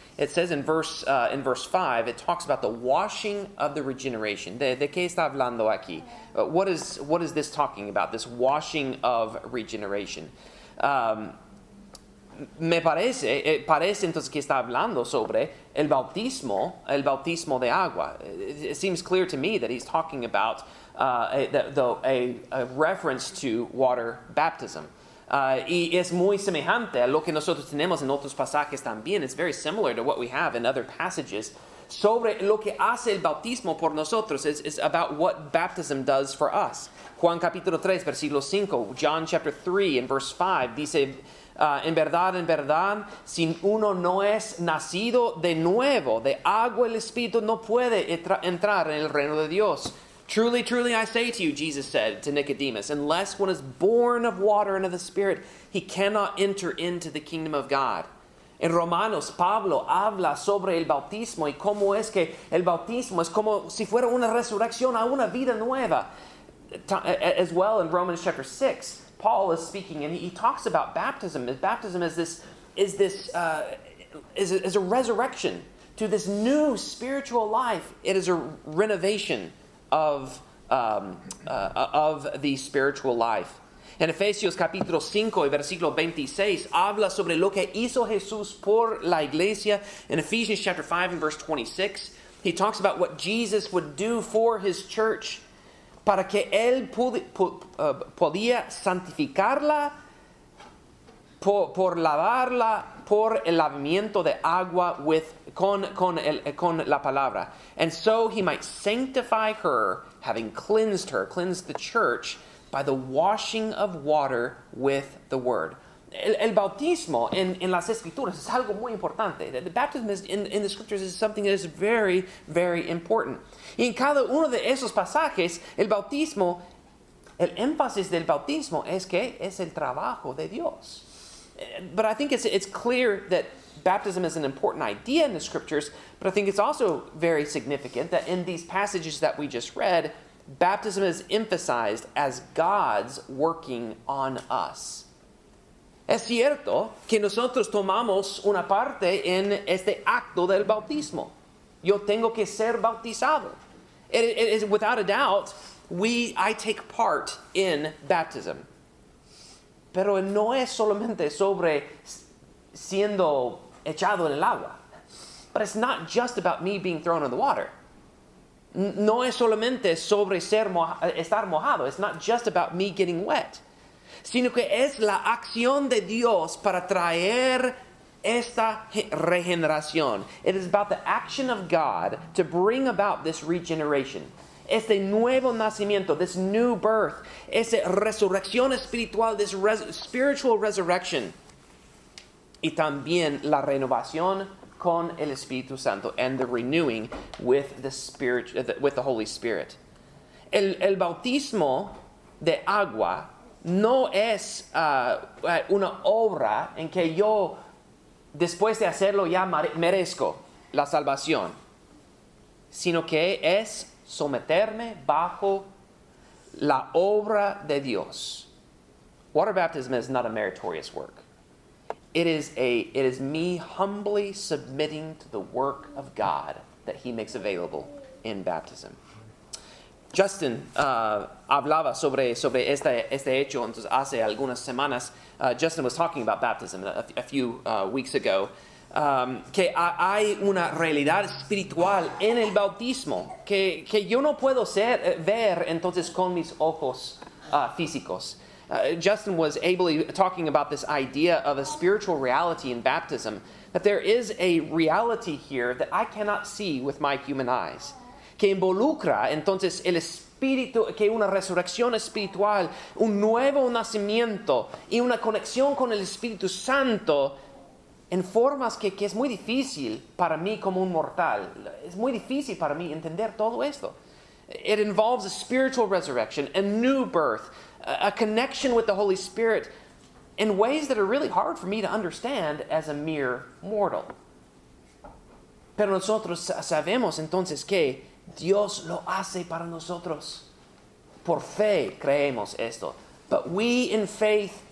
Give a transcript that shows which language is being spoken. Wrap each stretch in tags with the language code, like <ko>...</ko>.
<en>It says in verse 5, it talks about the washing of the regeneration.</en> <es>¿De qué está hablando aquí?</es> <en>What is this talking about, this washing of regeneration?</en> <es>Me parece entonces que está hablando sobre el bautismo de agua.</es> <en>It seems clear to me that he's talking about a reference to water baptism.</en> <es>Y es muy semejante a lo que nosotros tenemos en otros pasajes también.</es> <en>It's very similar to what we have in other passages</en> <es>sobre lo que hace el bautismo por nosotros.</es> <en>It's about what baptism does for us.</en> <es>Juan capítulo 3, versículo 5.</es> <en>John chapter 3, in verse 5,</en> <es>dice, en verdad, si uno no es nacido de nuevo, de agua el Espíritu no puede entrar en el reino de Dios.</es> <en>Truly, truly, I say to you, Jesus said to Nicodemus, unless one is born of water and of the Spirit, he cannot enter into the kingdom of God.</en> <es>En Romanos, Pablo habla sobre el bautismo y cómo es que el bautismo es como si fuera una resurrección a una vida nueva.</es> <en>As well, in Romans chapter 6, Paul is speaking and he talks about baptism. Baptism is a resurrection to this new spiritual life. It is a renovation of the spiritual life.</en> <es>En Efesios capítulo 5 y versículo 26 habla sobre lo que hizo Jesús por la iglesia.</es> <en>In Ephesians chapter 5 and verse 26, he talks about what Jesus would do for his church</en> <es>para que él podía santificarla por lavarla por el lavamiento de agua con la palabra.</es> <en>And so he might sanctify her, having cleansed her, cleansed the church, by the washing of water with the word.</en> <es>El bautismo en las Escrituras es algo muy importante.</es> <en>The baptism in the Scriptures is something that is very, very important.</en> <es>Y en cada uno de esos pasajes, el bautismo, el énfasis del bautismo es que es el trabajo de Dios.</es> <en>But I think it's clear that baptism is an important idea in the Scriptures, but I think it's also very significant that in these passages that we just read, baptism is emphasized as God's working on us.</en> <es>Es cierto que nosotros tomamos una parte en este acto del bautismo. Yo tengo que ser bautizado.</es> <en>It is without a doubt, I take part in baptism.</en> <es>Pero no es solamente sobre siendo echado en el agua.</es> <en>But it's not just about me being thrown in the water.</en> <es>No es solamente sobre estar mojado.</es> <en>It's not just about me getting wet.</en> <es>Sino que es la acción de Dios para traer esta regeneración.</es> <en>It is about the action of God to bring about this regeneration.</en> <es>Este nuevo nacimiento,</es> <en>this new birth,</en> <es>esa resurrección espiritual,</es> <en>this spiritual resurrection,</en> <es>y también la renovación con el Espíritu Santo</es> <en>and the renewing with the Holy Spirit.</en> <es>El bautismo de agua no es una obra en que yo, después de hacerlo, ya merezco la salvación, sino que es someterme bajo la obra de Dios.</es> <en>Water baptism is not a meritorious work. It is me humbly submitting to the work of God that he makes available in baptism.</en> <es>Justin hablaba sobre este hecho entonces hace algunas semanas.</es> <en>Justin was talking about baptism a few weeks ago.</en> <es>Que hay una realidad espiritual en el bautismo que yo no puedo ver entonces con mis ojos físicos.</es> <en>Justin was ably talking about this idea of a spiritual reality in baptism, that there is a reality here that I cannot see with my human eyes,</en> <es>que involucra entonces el espíritu, que una resurrección espiritual, un nuevo nacimiento y una conexión con el Espíritu Santo en formas que es muy difícil para mí como un mortal. Es muy difícil para mí entender todo esto.</es> <en>It involves a spiritual resurrection, a new birth, a connection with the Holy Spirit in ways that are really hard for me to understand as a mere mortal.</en> <es>Pero nosotros sabemos entonces que Dios lo hace para nosotros. Por fe creemos esto.</es> <en>But we in faith</en>